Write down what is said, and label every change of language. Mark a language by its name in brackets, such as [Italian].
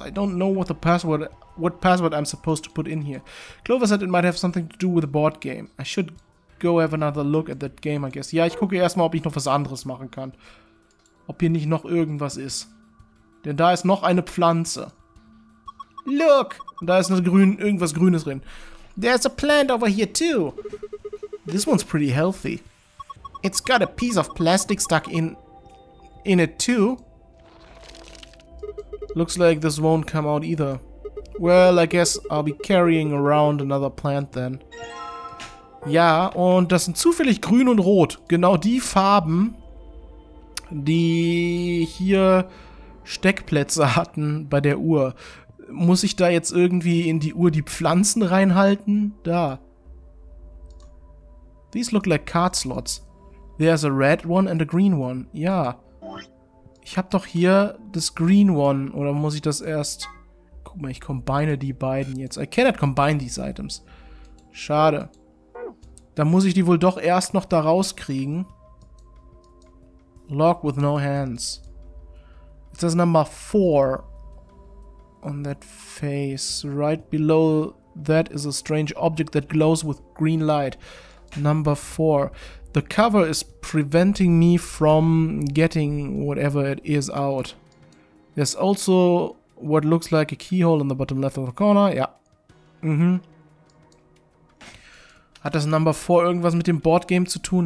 [English] I don't know what password I'm supposed to put in here. Clover said it might have something to do with the board game. I should go have another look at that game, I guess. [German] Ja, ich gucke erstmal, ob ich noch was anderes machen kann. Ob hier nicht noch irgendwas ist. Denn da ist noch eine Pflanze. [English] Look! [German] Da ist irgendwas Grünes drin. [English] There's a plant over here too. This one's pretty healthy. It's got a piece of plastic stuck in it too. Looks like this won't come out either. Well, I guess I'll be carrying around another plant then. [German] Ja, und das sind zufällig Grün und Rot. Genau die Farben, die hier Steckplätze hatten bei der Uhr. Muss ich da jetzt irgendwie in die Uhr die Pflanzen reinhalten? Da. [English] These look like card slots. There's a red one and a green one. [German] Ja. Ich hab doch hier das [English] green one. [German] Oder muss ich das erst... Guck mal, ich combine die beiden jetzt. [English] I cannot combine these items. [German] Schade. Dann muss ich die wohl doch erst noch da rauskriegen. [English] Lock with no hands. It says number 4. On that face, right below that is a strange object that glows with green light. Number 4. The cover is preventing me from getting whatever it is out. There's also what looks like a keyhole in the bottom left of the corner. [German] Ja. Mhm. Hat das Number 4 irgendwas mit dem Boardgame zu tun?